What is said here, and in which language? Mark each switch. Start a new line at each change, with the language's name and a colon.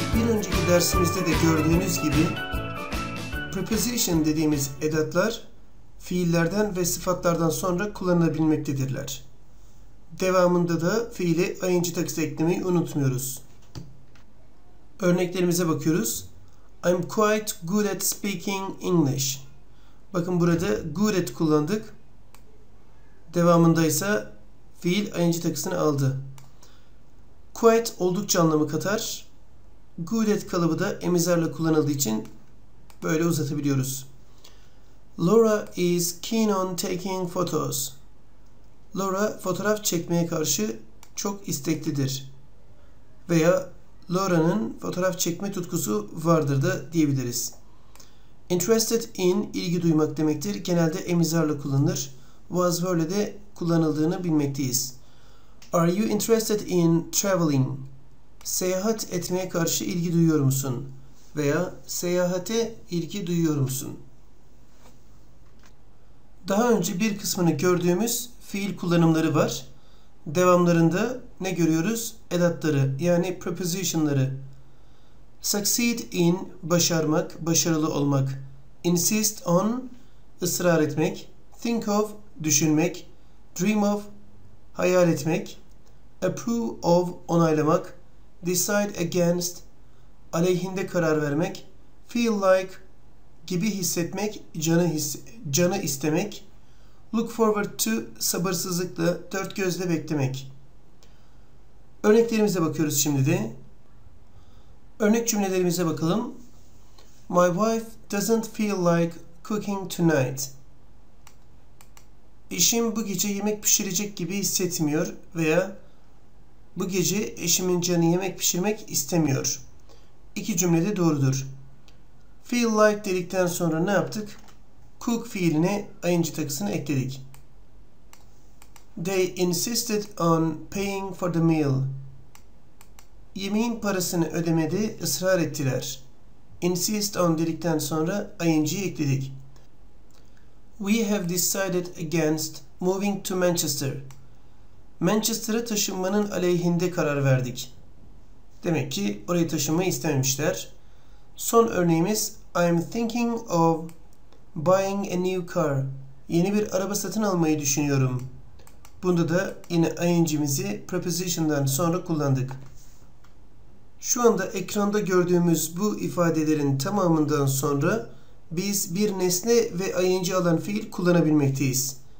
Turkish: önceki dersimizde de gördüğünüz gibi preposition dediğimiz edatlar fiillerden ve sıfatlardan sonra kullanılabilmektedirler. Devamında da fiili ing takısı eklemeyi unutmuyoruz. Örneklerimize bakıyoruz.
English: I'm quite good at speaking English.
Turkish: Bakın burada good at kullandık. Devamında ise fiil ing takısını aldı. Quite oldukça anlamı katar. Good at kalıbı da emizerle kullanıldığı için böyle uzatabiliyoruz.
English: Laura is keen on taking photos.
Turkish: Laura fotoğraf çekmeye karşı çok isteklidir. Veya Laura'nın fotoğraf çekme tutkusu vardır da diyebiliriz. Interested in ilgi duymak demektir. Genelde emizarla kullanılır. Was böyle de kullanıldığını bilmekteyiz.
English: Are you interested in traveling?
Turkish: Seyahat etmeye karşı ilgi duyuyor musun? Veya seyahate ilgi duyuyor musun? Daha önce bir kısmını gördüğümüz fiil kullanımları var. Devamlarında ne görüyoruz? Edatları yani prepositionları. Succeed in başarmak, başarılı olmak. Insist on ısrar etmek. Think of düşünmek. Dream of hayal etmek. Approve of onaylamak. Decide against aleyhinde karar vermek. Feel like gibi hissetmek, canı istemek. Look forward to sabırsızlıkla, dört gözle beklemek. Örneklerimize bakıyoruz şimdi de. Örnek cümlelerimize bakalım.
English: My wife doesn't feel like cooking tonight.
Turkish: Eşim bu gece yemek pişirecek gibi hissetmiyor veya bu gece eşimin canı yemek pişirmek istemiyor. İki cümle de doğrudur. Feel like dedikten sonra ne yaptık? Cook fiiline ing takısını ekledik.
English: They insisted on paying for the meal.
Turkish: Yemeğin parasını ödemede ısrar ettiler. Insist on dedikten sonra ing'yi ekledik.
English: We have decided against moving to Manchester.
Turkish: Manchester'a taşınmanın aleyhinde karar verdik. Demek ki oraya taşınmayı istememişler. Son örneğimiz
English: I'm thinking of buying a new car.
Turkish: Yeni bir araba satın almayı düşünüyorum. Bunda da yine ing'imizi preposition'dan sonra kullandık. Şu anda ekranda gördüğümüz bu ifadelerin tamamından sonra biz bir nesne ve ing alan fiil kullanabilmekteyiz.